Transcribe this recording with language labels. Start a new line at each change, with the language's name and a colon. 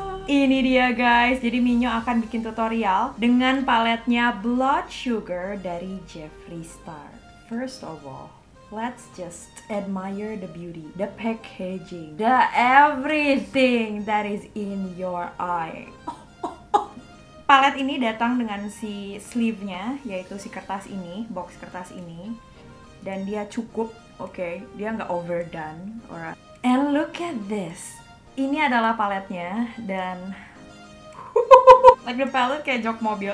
Indonesian: Ini dia guys, jadi Minyo akan bikin tutorial dengan paletnya Blood Sugar dari Jeffree Star.
English: First of all, let's just admire the beauty, the packaging, the everything that is in your eye.
Indonesian: Palet ini datang dengan si sleeve-nya, yaitu si kertas ini, box kertas ini. Dan dia cukup, oke, dia nggak overdone, alright.
English: And look at this.
Indonesian: Ini adalah paletnya, dan
English: like the palette
Indonesian: kayak jok mobil.